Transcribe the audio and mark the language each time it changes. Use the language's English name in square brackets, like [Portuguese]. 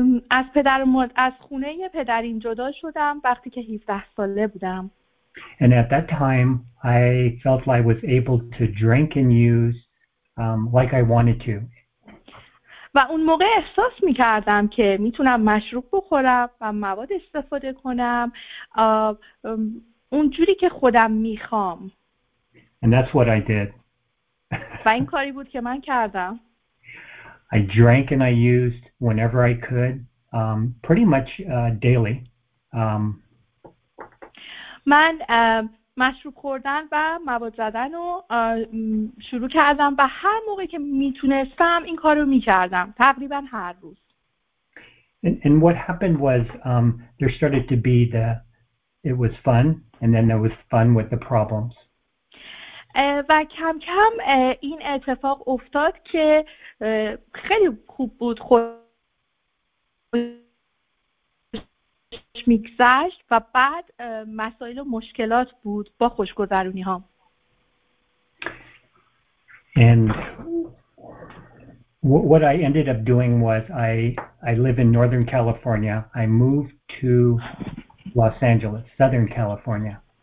[Persian] از پدر مادر از خونه پدرم جدا شدم وقتی که 17 ساله بودم. [English] And at that time I felt like I was able to drink and use like I wanted to. [Persian] و اون موقع احساس می‌کردم که می‌تونم مشروب بخورم و مواد استفاده کنم اونجوری که خودم می‌خوام. [English] And that's what I did. [Persian] و این کاری بود که من کردم. [English] I drank and I used whenever I could, pretty much daily. [Persian] من مشروب خوردن و مواد زدن رو شروع کردم و هر موقعی که میتونستم این کارو میکردم تقریبا هر روز. [English] And what happened was there started to be the it was fun and then there was fun with the problems. [Persian] و کم کم این اتفاق افتاد که خیلی خوب بود خوش میگذشت و بعد مسائل و مشکلات بود با خوشگذرونی ها. [English] And what I ended up doing was I live in Northern California. I moved to Los Angeles, Southern California.